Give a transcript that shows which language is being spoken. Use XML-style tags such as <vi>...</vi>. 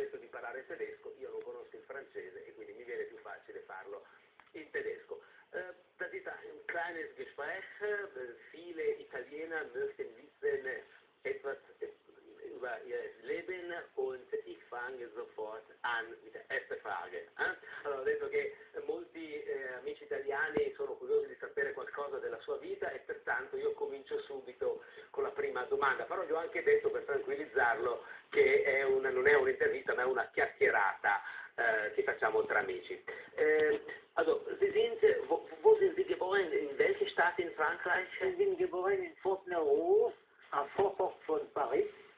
<it>parlare il tedesco, io non conosco il francese e quindi mi viene più facile farlo in tedesco.</it> <de>Das ist ein kleines Gespräch, viele Italiener möchten wissen etwas über ihr Leben und ich fange sofort an mit der ersten Frage.</de> <it>Allora, ho detto che molti amici italiani sono curiosi di sapere qualcosa della sua vita e pertanto io comincio subito con la prima domanda, però gli ho anche detto per tranquillizzarlo che è una, non è un'intervista ma è una chiacchierata che facciamo tra amici.</it> <de>Also, Sie sind, wo sind Sie geboren? In welcher Stadt in Frankreich? Ich bin geboren in Fontenay-Rouge, ein Vorort von Paris.</de>